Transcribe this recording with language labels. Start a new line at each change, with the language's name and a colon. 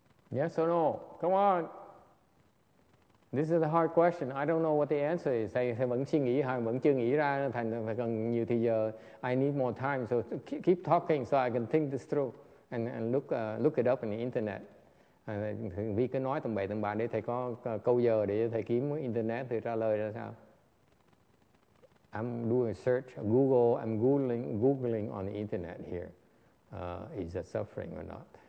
English: Yes or no? Come on. This is a hard question. I don't know what the answer is.
Vietnamese: Thầy vẫn suy nghĩ, hay vẫn chưa nghĩ ra. Thầy cần nhiều thời giờ.
English: I need more time. So keep talking so I can think this through and look it up in the internet.
Vietnamese: Vì cứ nói tầm bậy tầm bạ để thầy có câu giờ để thầy kiếm internet thì trả lời ra sao?
English: I'm doing a search. Google. I'm googling on the internet here. Is that suffering or not?